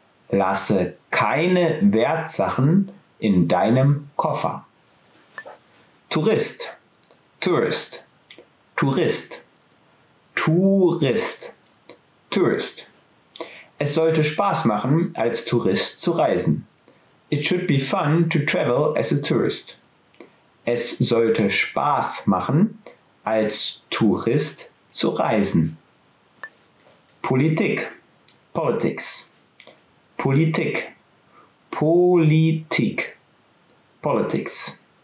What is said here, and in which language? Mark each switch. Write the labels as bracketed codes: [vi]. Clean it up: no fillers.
[de] Lasse keine Wertsachen in deinem Koffer. Tourist, Tourist, Tourist, Tourist, Tourist. Es sollte Spaß machen, als Tourist zu reisen. [en] It should be fun to travel as a tourist. [de] Es sollte Spaß machen, als Tourist zu reisen. Politik, Politics, Politik, Politik, Politics.